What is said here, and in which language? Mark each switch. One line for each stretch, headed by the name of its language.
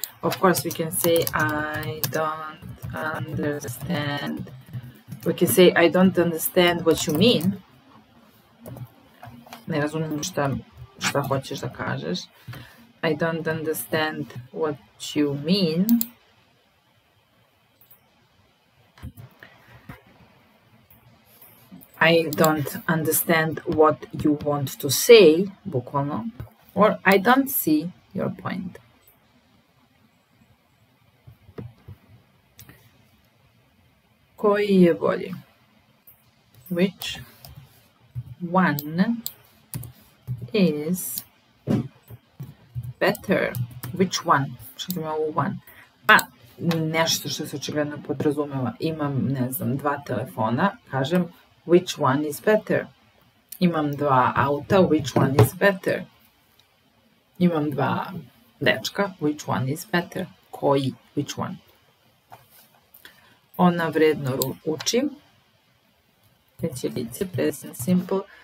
English: Of course, we can say I don't understand. We can say I don't understand what you mean.
Serbian: Ne razumijem šta hoćeš da kažeš.
English: I don't understand what you mean. I don't understand what you want to say,
Serbian: bukvalno.
English: Or I don't see your point.
Serbian: Koji je bolji?
English: Which one is better? Which one?
Serbian: Što ima ovo
English: one?
Serbian: Pa, nešto što se očigledno podrazumeva. Imam, ne znam, dva telefona. Kažem,
English: which one is better?
Serbian: Imam dva auta, which one is better? Imam dva dečka,
English: which one is better?
Serbian: Koji,
English: which one?
Serbian: Ona vredno uči. Treće lice,
English: present simple.